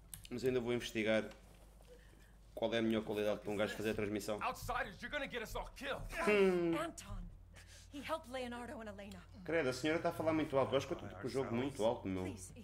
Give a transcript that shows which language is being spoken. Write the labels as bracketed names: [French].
[Portuguese] Mas eu ainda vou investigar qual é a melhor qualidade para um gajo fazer a transmissão. [English] Outsiders, you're gonna get us all killed. Anton, he helped Leonardo and Helena. [Portuguese] Credo, a senhora está a falar muito alto. Eu acho que eu estou com o jogo muito alto, meu.